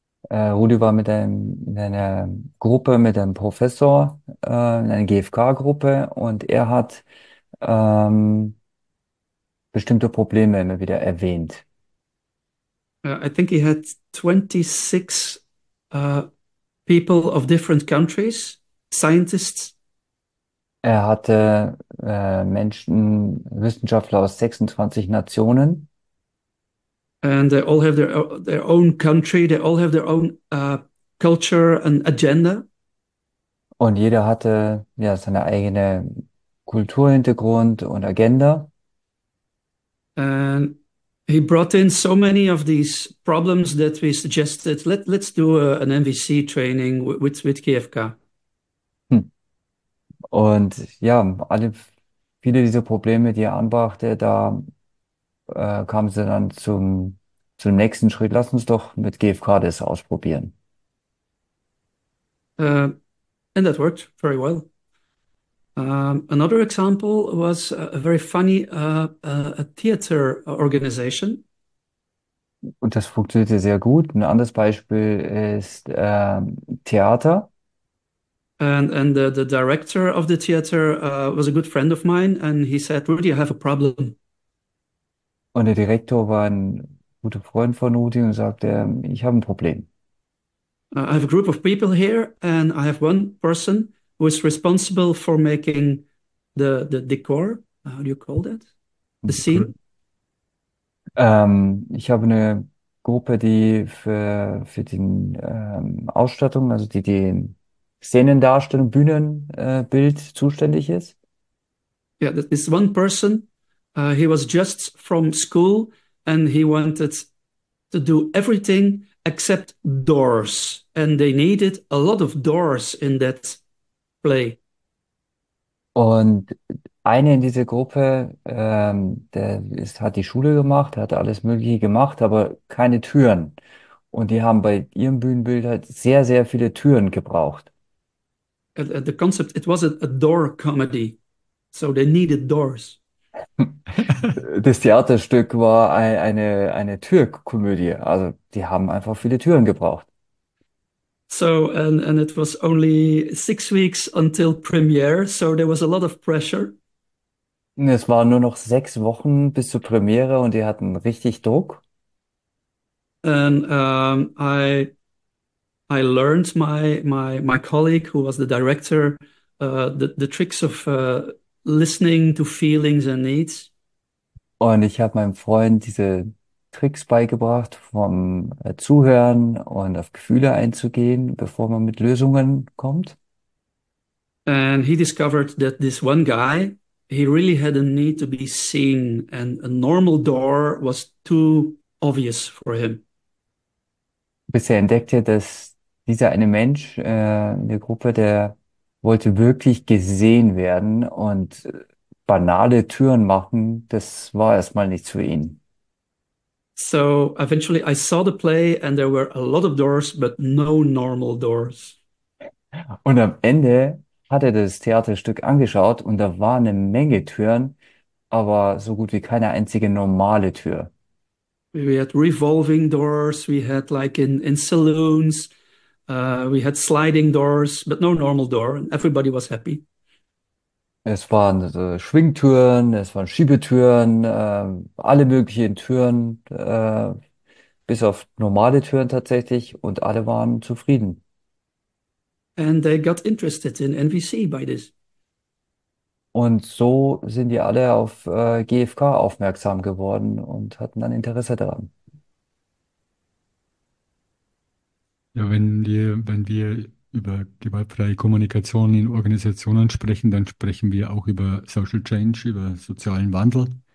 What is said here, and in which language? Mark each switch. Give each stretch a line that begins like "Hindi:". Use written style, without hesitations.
German: Rudi war in einer Gruppe mit einem Professor, in einer GFK-Gruppe und er hat bestimmte Probleme immer wieder erwähnt.
English: I think he had 26 people of different countries, scientists.
German: Er hatte Menschen, Wissenschaftler aus 26 Nationen.
English: And they all have their own country, they all have their own culture and agenda.
German: Und jeder hatte ja seine eigene Kulturhintergrund und Agenda.
English: And he brought in so many of these problems that we suggested, let's do an MVC training with GFK.
German: Und ja, viele dieser Probleme, die er anbrachte, da kamen sie dann zum nächsten Schritt. Lass uns doch mit GFK das ausprobieren.
English: And that worked very well. Another example was a very funny a theater organization.
German: Und das funktionierte sehr gut. Ein anderes Beispiel ist Theater.
English: And the director of the theater was a good friend of mine, and he said, "Rudy, I have a problem."
German: Und der Direktor war ein guter Freund von Rudi und sagte, ich habe ein Problem.
English: I have a group of people here, and I have one person who is responsible for making the decor. How do you call that? The scene?
German: Ich habe eine Gruppe, die für die Ausstattung, also die Szenendarstellung, Bühnenbild zuständig ist.
English: Yeah, this is one person. He was just from school, and he wanted to do everything except doors, and they needed a lot of doors in that play.
German: Und eine in dieser Gruppe, hat die Schule gemacht, hat alles Mögliche gemacht, aber keine Türen. Und die haben bei ihrem Bühnenbild halt sehr, sehr viele Türen gebraucht.
English: The concept, it was a door comedy, so they needed doors.
German: Das Theaterstück war eine Türkomödie. Also die haben einfach viele Türen gebraucht.
English: So, and it was only 6 weeks until premiere, so there was a lot of pressure.
German: Es waren nur noch 6 Wochen bis zur Premiere und die hatten richtig Druck.
English: And I learned my colleague, who was the director, the tricks of listening to feelings and needs.
German: Und ich habe meinem Freund diese Tricks beigebracht, vom Zuhören und auf Gefühle einzugehen, bevor man mit Lösungen kommt.
English: And he discovered that this one guy, he really had a need to be seen, and a normal door was too obvious for him.
German: Bis er entdeckte, dass dieser eine Mensch in der Gruppe, der wollte wirklich gesehen werden und banale Türen machen, das war erstmal nichts für ihn.
English: So eventually I saw the play, and there were a lot of doors, but no normal doors.
German: Und am Ende hat er das Theaterstück angeschaut und da war eine Menge Türen, aber so gut wie keine einzige normale Tür.
English: We had revolving doors, we had like in saloons, we had sliding doors, but no normal door, and everybody was happy.
German: Es waren Schwingtüren, es waren Schiebetüren, alle möglichen Türen, bis auf normale Türen tatsächlich, und alle waren zufrieden.
English: And they got interested in NVC by this.
German: Und so sind die alle auf GFK aufmerksam geworden und hatten dann Interesse daran. Ja, wenn wir über gewaltfreie Kommunikation in Organisationen sprechen, dann sprechen wir auch über Social Change, über sozialen Wandel.